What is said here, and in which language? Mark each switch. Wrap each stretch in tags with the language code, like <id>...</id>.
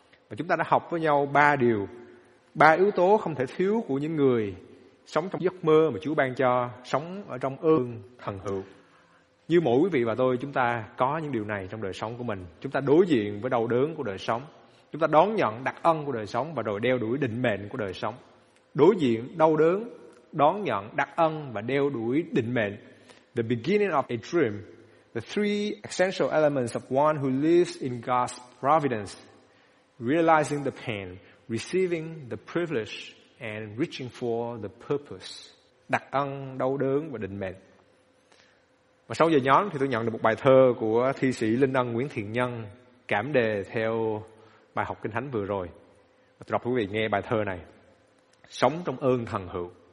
<vi>Và chúng ta đã học với nhau ba điều, ba yếu tố không thể thiếu của những người sống trong giấc mơ mà Chúa ban cho, sống ở trong ơn thần hữu. Như mỗi quý vị và tôi, chúng ta có những điều này trong đời sống của mình. Chúng ta đối diện với đau đớn của đời sống, chúng ta đón nhận đặc ân của đời sống và rồi đeo đuổi định mệnh của đời sống. Đối diện đau đớn, đón nhận đặc ân và đeo đuổi định mệnh.</vi> <en>The beginning of a dream, the three essential elements of one who lives in God's providence: realizing the pain, receiving the privilege, and reaching for the purpose.</en> <vi>Đặc ân, đau đớn và định mệnh. Và sau giờ nhóm thì tôi nhận được một bài thơ của thi sĩ Linh Ân Nguyễn Thiện Nhân cảm đề theo bài học Kinh Thánh vừa rồi. Và tôi đọc quý vị nghe bài thơ này. Sống trong ơn thần hữu.</vi>